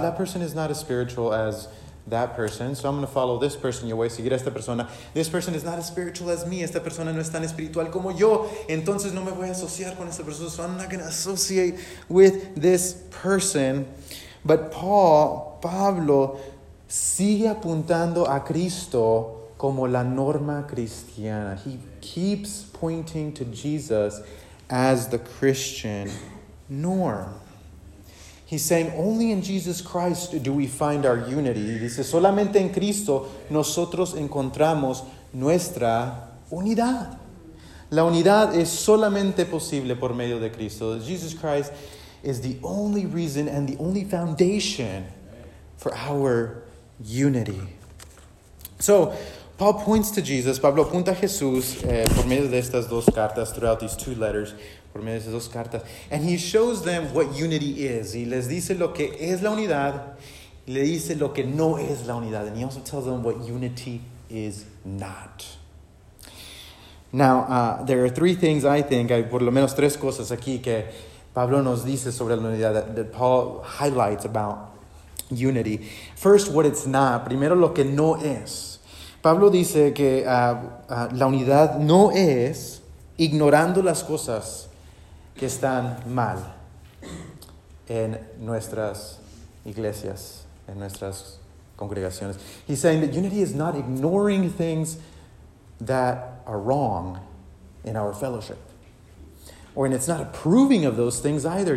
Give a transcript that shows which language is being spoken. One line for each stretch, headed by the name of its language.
English: That person is not as spiritual as that person. So I'm going to follow this person.
Spanish: Yo voy a seguir a esta persona.
English: This person is not as spiritual as me.
Spanish: Esta persona no es tan espiritual como yo. Entonces no me voy a asociar con esta persona.
English: So I'm not going to associate with this person.
Spanish: But Pablo sigue apuntando a Cristo como la norma cristiana.
English: He keeps pointing to Jesus as the Christian norm. He's saying, only in Jesus Christ do we find our unity.
Spanish: He dice, solamente en Cristo nosotros encontramos nuestra unidad. La unidad es solamente posible por medio de Cristo.
English: Jesus Christ is the only reason and the only foundation for our unity. So, Paul points to Jesus,
Spanish: Pablo apunta a Jesús por medio de estas dos cartas,
English: throughout these two letters,
Spanish: Por medio de esas dos cartas.
English: And he shows them what unity is.
Spanish: Y les dice lo que es la unidad. Y le dice lo que no es la unidad.
English: And he also tells them what unity is not. Now, there are three things I think,
Spanish: hay por lo menos tres cosas aquí que Pablo nos dice sobre la unidad,
English: that Paul highlights about unity. First, what it's not.
Spanish: Primero, lo que no es. Pablo dice que la unidad no es ignorando las cosas que están mal en nuestras iglesias, en nuestras congregaciones.
English: He's saying that unity is not ignoring things that are wrong in our fellowship. Or, and it's not approving of those things either.